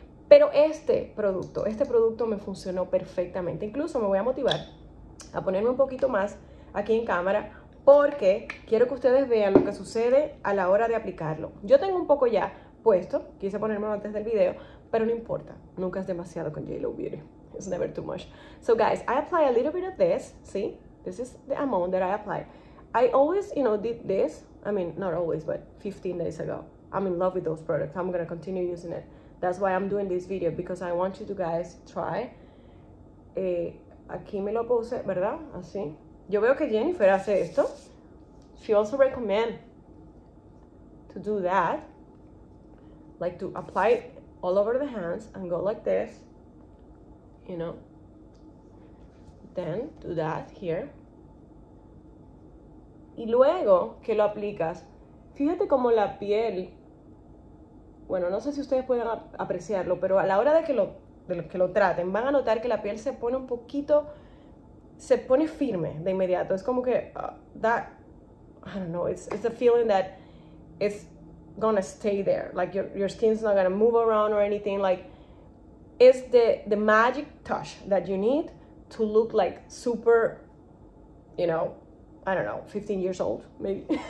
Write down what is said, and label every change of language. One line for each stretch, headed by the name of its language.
Spanish: Pero este producto me funcionó perfectamente. Incluso me voy a motivar a ponerme un poquito más aquí en cámara porque quiero que ustedes vean lo que sucede a la hora de aplicarlo. Yo tengo un poco ya puesto, quise ponérmelo antes del video, pero no importa, nunca es demasiado con J.Lo Beauty.
English: It's never too much. So guys, I apply a little bit of this, see? This is the amount that I apply. I always, did this, I mean, not always, but 15 days ago. I'm in love with those products. I'm gonna continue using it. That's why I'm doing this video, because I want you to guys try.
Spanish: Aquí me lo puse, ¿verdad? Así. Yo veo que Jennifer hace esto.
English: She also recommend to do that. Like to apply all over the hands and go like this. Then do that here.
Spanish: Y luego que lo aplicas, fíjate cómo la piel. Bueno, no sé si ustedes pueden apreciarlo, pero a la hora de que lo traten, van a notar que la piel se pone un poquito, se pone firme de inmediato. Es como que,
English: I don't know, it's a feeling that it's gonna stay there. Like your skin's not gonna move around or anything. Like, it's the magic touch that you need to look like super, I don't know, 15 years old, maybe.